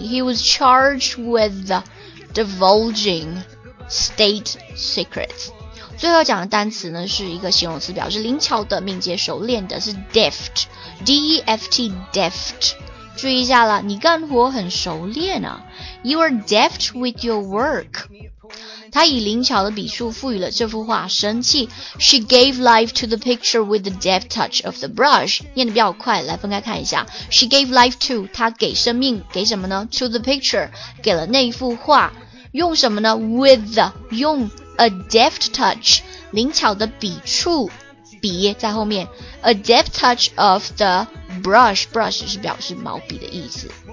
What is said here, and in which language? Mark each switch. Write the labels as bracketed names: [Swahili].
[English] He was charged with divulging state secrets。 [Chinese] 最后讲的单词呢是一个形容词，表示灵巧的、敏捷、熟练的，是 deft deft deft。注意一下了，你干活很熟练啊。 [English] You are deft with your work。 [Chinese] 他以灵巧的笔触赋予了这幅画生气。 [English] She gave life to the picture with the deft touch of the brush。 [Chinese] 念得比较快，来分开看一下。 [English] She gave life to， [Chinese] 他给生命，给什么呢？ [English] To the picture， [Chinese] 给了那幅画。用什么呢？ With the， 用 a deft touch， 灵巧的笔触，笔在后面。 [English] A deft touch of theBrush， [Chinese] brush 是表示毛笔的意思。